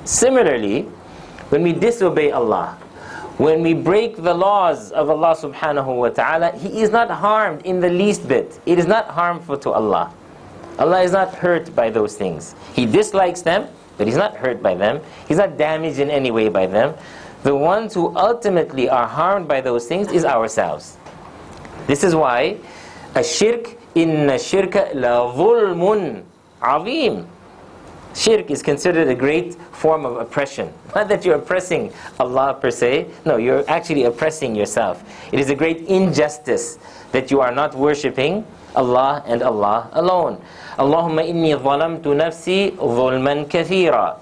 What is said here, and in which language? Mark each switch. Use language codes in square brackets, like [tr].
[en] Similarly, when we disobey Allah, when we break the laws of Allah subhanahu wa ta'ala, He is not harmed in the least bit. It is not harmful to Allah. Allah is not hurt by those things. He dislikes them, but He's not hurt by them. He's not damaged in any way by them. The ones who ultimately are harmed by those things is ourselves. This is why [ar] الشرك إن الشرك لظلم عظيم. [en] Shirk is considered a great form of oppression. Not that you're oppressing Allah per se. No, you're actually oppressing yourself. It is a great injustice that you are not worshipping Allah and Allah alone. [ar] Allahumma inni zalamtu nafsi zulman kathira.